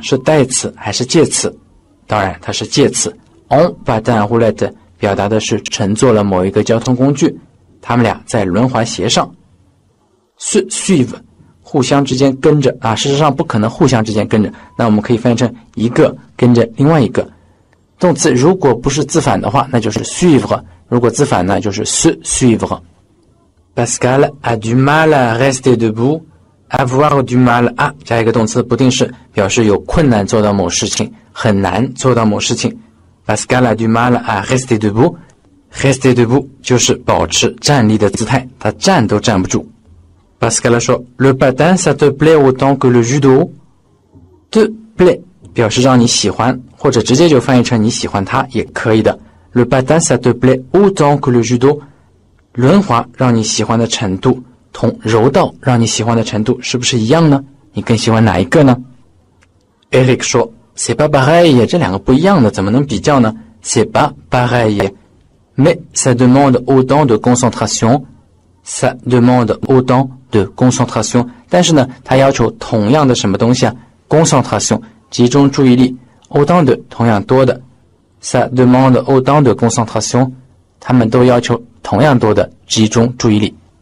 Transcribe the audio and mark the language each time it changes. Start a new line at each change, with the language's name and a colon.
Chinese: 是代词还是介词？当然它是介词。
French: en patin à roulette
Chinese: 表达的是乘坐了某一个交通工具，他们俩在轮滑鞋上。
French: se suivent
Chinese: 互相之间跟着啊，事实上不可能互相之间跟着，那我们可以翻译成一个跟着另外一个。动词如果不是自反的话，那就是 suivre， 如果自反呢，就是 se suivre。
French: Pascal a du mal à rester debout， avoir du mal à
Chinese: 加一个动词不定式，表示有困难做到某事情，很难做到某事情。
French: Pascal a du mal à rester debout， rester debout
Chinese: 就是保持站立的姿态，他站都站不住。
French: Pascal 说 Le patin ça te plaît autant que le judo？
Chinese: te plaît表示让你喜欢，或者直接就翻译成你喜欢它也可以的。
French: Le patin ça te plaît autant que le judo，
Chinese: 轮滑让你喜欢的程度同柔道让你喜欢的程度是不是一样呢？你更喜欢哪一个呢？ Eric 说
French: C'est pas pareil，
Chinese: 这两个不一样的，怎么能比较呢？
French: C'est pas pareil mais ça demande autant de concentration， ça demande autant de concentration，
Chinese: 但是呢它要求同样的什么东西啊？ concentration，集中注意力。
French: autant de
Chinese: 同样多的，
French: ça demande autant de concentration，
Chinese: 他们都要求同样多的集中注意力。